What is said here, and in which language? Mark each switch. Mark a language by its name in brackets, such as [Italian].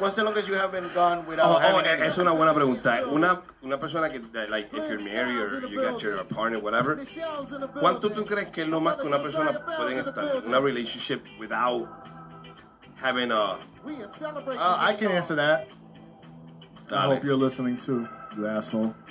[English] What's the longest you have been gone without having? [Spanish] Es una buena pregunta. Una persona que, [English] like, if you're married or you got your partner, whatever. [Spanish] ¿Cuánto tú crees que es lo más que una persona puede estar en una relationship [English] without having a? I can answer that. Dale. I hope you're listening too, you asshole.